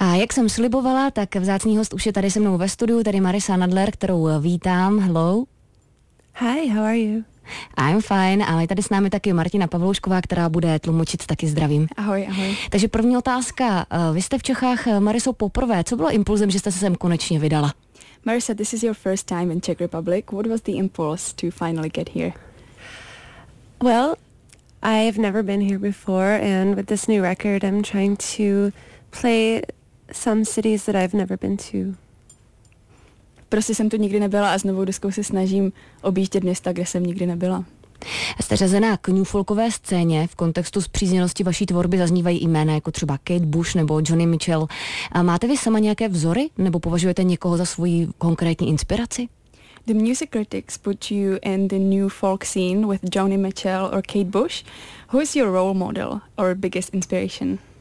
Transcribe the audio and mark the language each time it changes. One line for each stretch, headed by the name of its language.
Czech: jak jsem slibovala, tak vzácný host už je tady se mnou ve studiu, tady Marisa Nadler, kterou vítám.
English: Hello. Hi, how are you? I'm fine,
Czech: ale tady s námi taky Martina Pavloušková, která bude tlumočit, taky zdravím. Ahoj, ahoj. Takže první otázka, vy jste v Čechách, Mariso, poprvé, co bylo impulzem, že jste se sem konečně vydala?
English: Marisa, this is your first time in Czech Republic. What was the impulse to finally get here? Well, I've never been here before and with this new record I'm trying to play some cities that I've never been to.
Czech: Prostě jsem tu nikdy nebyla a s novou deskou se snažím objíždět města, kde jsem nikdy nebyla. Jste řazená k new folkové scéně. V kontextu spřízněnosti vaší tvorby zaznívají jména jako třeba Kate Bush nebo Johnny Mitchell. A máte vy sama nějaké vzory nebo považujete někoho za svoji konkrétní inspiraci?
English: The music critics put you in the new folk scene with Johnny Mitchell or Kate Bush. Who is your role model or biggest inspiration?